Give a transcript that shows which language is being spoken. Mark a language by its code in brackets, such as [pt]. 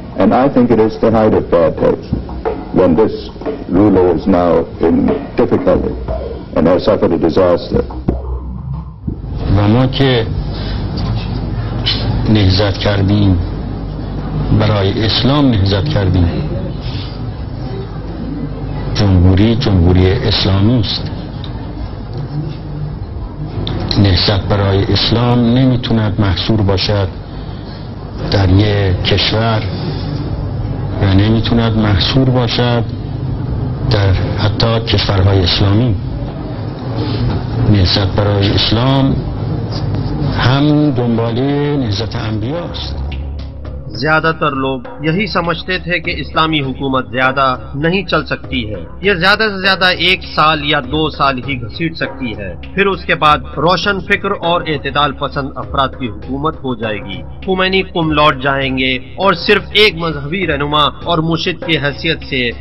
[en] And I think it is the height of bad taste when this ruler is now in difficulty and has suffered a disaster. [fa] ما که نهضت کردیم، برای اسلام نهضت کردیم، جمهوری جمهوری اسلامی است. نهضت برای اسلام نمیتوند محصور باشد در یک کشور و نمیتوند محصور باشد در حتی کشورهای اسلامی. نهضت برای اسلام هم دنباله نهضت انبیا است. [ur] زیادہ تر لوگ یہی سمجھتے تھے کہ اسلامی حکومت زیادہ نہیں چل سکتی ہے، یہ زیادہ سے زیادہ ایک سال یا دو سال ہی گھسیٹ سکتی ہے، پھر اس کے بعد روشن فکر اور اعتدال پسند افراد کی حکومت ہو جائے گی، خمینی کم لوٹ جائیں گے اور صرف ایک مذہبی رہنما اور مرشد کی حیثیت سے